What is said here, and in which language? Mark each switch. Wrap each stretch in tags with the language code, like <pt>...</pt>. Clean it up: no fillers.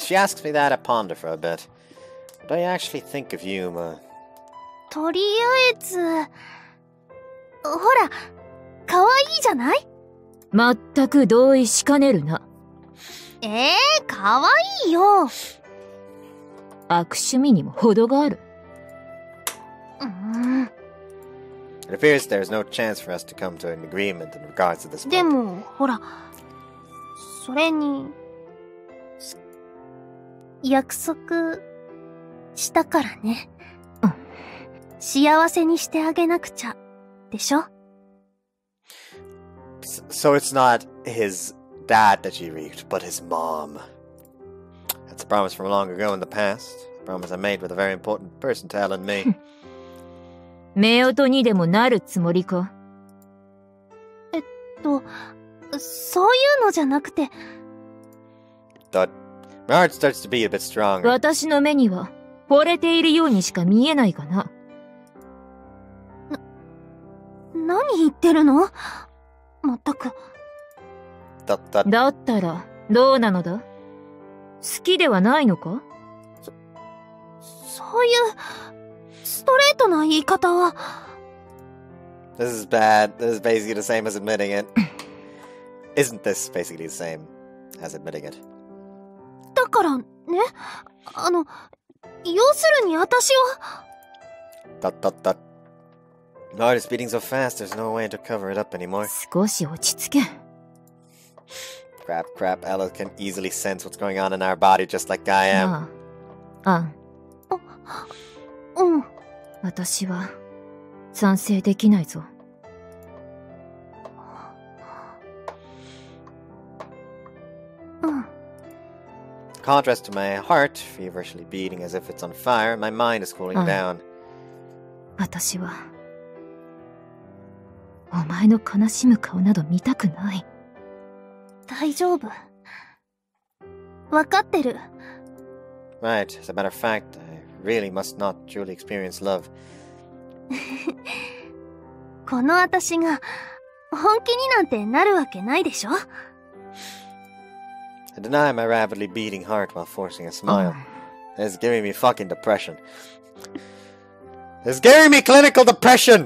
<en>She asks me that, I ponder for a bit. What do I actually think of you, Ma?</en> <ja>とりあえず… ほら、かわいいじゃない？全く同意しかねるな。かわいいよ。悪趣味にも程がある。</ja> <en>It appears there's no chance for us to come to an agreement in regards to this</en> <ja>point. でも、ほら、それに、約束したからね。幸せにしてあげなくちゃ、でしょ？</ja> <en>So it's not his dad that she reaped, but his mom. That's a promise from long ago in the past. A promise I made with a very important person to Alan me.</en> <ja>目音にでもなるつもりか？そういうのじゃなくて。</ja> <en>That my heart starts to be a bit stronger.</en> <ja>私の目には、惚れているようにしか見えないかな。何言ってるの？まったく。だったら、どうなのだ？好きではないのか？そういう、ストレートな言い方は。</ja> <en>This is bad. This is basically the same as admitting it. Isn't this basically the same as admitting it?</en> <ja>だから、ね。要するに私は。</ja> <en>My heart is beating so fast, there's no way to cover it up anymore.</en> <ja>少し落ち着け。</ja> <en>Crap, Ella can easily sense what's going on in our body just like I am.</en> <ja>うん。私は賛成できないぞ。</ja> <en>Contrast to my heart, feverishly beating as if it's on fire, my mind is cooling down.</en> <ja>私は…お前の悲しむ顔など見たくない。大丈夫。わかってる。</ja> <en>Right. As a matter of fact, I really must not truly experience love.</en> <ja>この私が本気になんてなるわけないでしょ。</ja> <en>I deny my rapidly beating heart while forcing a smile. It's giving me fucking depression. It's giving me clinical depression!</en>